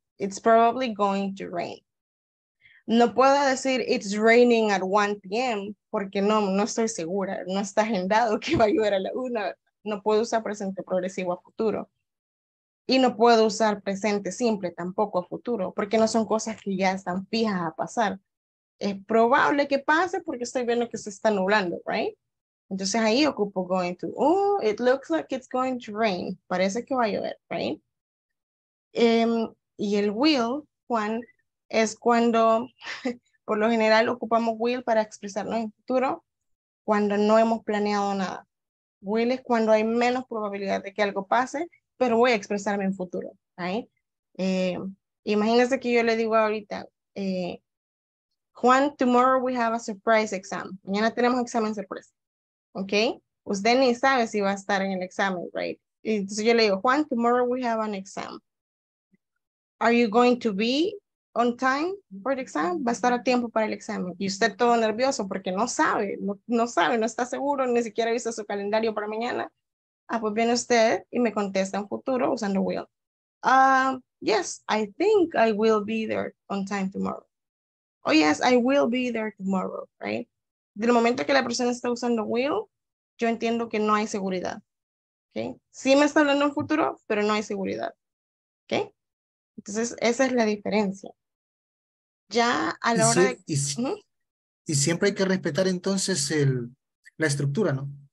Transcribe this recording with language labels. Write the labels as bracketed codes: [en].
[en] It's probably going to rain. [es] No puedo decir [en] it's raining at 1 p.m., [es] porque no estoy segura, no está agendado que va a llover a la 1. No puedo usar presente progresivo a futuro. Y no puedo usar presente simple tampoco a futuro, porque no son cosas que ya están fijas a pasar. Es probable que pase porque estoy viendo que se está nublando, [en] right? [es] Entonces ahí ocupo going to. [en] Oh, it looks like it's going to rain. [es] Parece que va a llover, [en] right? [es] Y el will, Juan, es cuando, por lo general, ocupamos will para expresarnos en futuro, cuando no hemos planeado nada. Will es cuando hay menos probabilidad de que algo pase, pero voy a expresarme en futuro, [en] right? [es] Imagínense que yo le digo ahorita, Juan, [en] tomorrow we have a surprise exam. [es] Mañana tenemos examen sorpresa, ¿ok? Usted ni sabe si va a estar en el examen, [en] right? [es] Y entonces yo le digo, [en] Juan, tomorrow we have an exam. Are you going to be on time for the exam? [es] Va a estar a tiempo para el examen. Y usted todo nervioso porque no sabe, no sabe, no está seguro, ni siquiera ha visto su calendario para mañana. Ah, pues viene usted y me contesta en futuro usando will. [en] Yes, I think I will be there on time tomorrow. Oh, yes, I will be there tomorrow, right? [es] Del momento que la persona está usando will, yo entiendo que no hay seguridad. Okay? Sí me está hablando en futuro, pero no hay seguridad. Okay? Entonces, esa es la diferencia. Ya a la hora de... Y siempre hay que respetar entonces la estructura, ¿no?